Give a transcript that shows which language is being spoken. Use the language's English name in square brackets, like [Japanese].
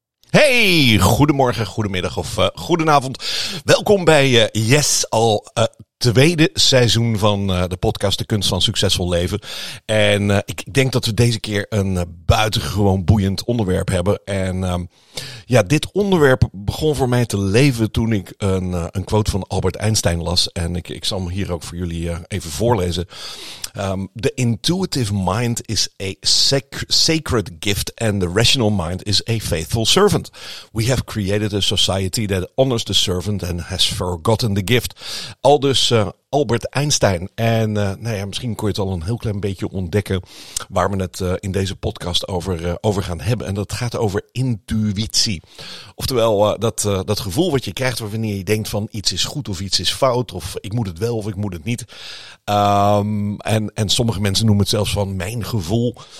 [Dutch] Hey, goedemorgen, goedemiddag of goedenavond. Welkom bij tweede seizoen van de podcast De Kunst van Succesvol Leven. En ik denk dat we deze keer een buitengewoon boeiend onderwerp hebben. En dit onderwerp begon voor mij te leven toen ik een quote van Albert Einstein las. En ik zal hem hier ook voor jullie even voorlezen. [English] The intuitive mind is a sacred gift and the rational mind is a faithful servant. We have created a society that honors the servant and has forgotten the gift. [Dutch] Aldus Albert Einstein. En misschien kon je het al een heel klein beetje ontdekken waar we het in deze podcast over gaan hebben. En dat gaat over intuïtie. Oftewel dat gevoel wat je krijgt wanneer je denkt van iets is goed of iets is fout. Of ik moet het wel of ik moet het niet. En sommige mensen noemen het zelfs van mijn gevoel.